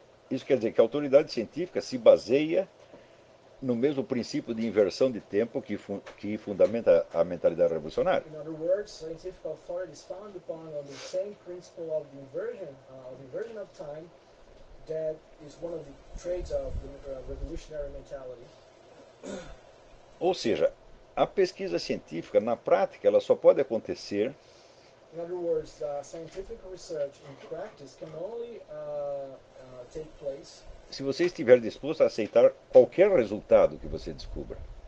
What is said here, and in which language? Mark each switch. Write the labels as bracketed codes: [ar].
[pt] Isso quer dizer que a autoridade científica se baseia no mesmo princípio de inversão de tempo que fundamenta a mentalidade revolucionária. [en] In other words, scientific authority is founded upon the same principle of the inversion of time that is one of the traits of the revolutionary mentality. [pt] Ou seja, a pesquisa científica, na prática, ela só pode acontecer. [en] In other words, scientific research in practice can only take place. [pt] Se você estiver disposto a aceitar qualquer resultado que você descubra.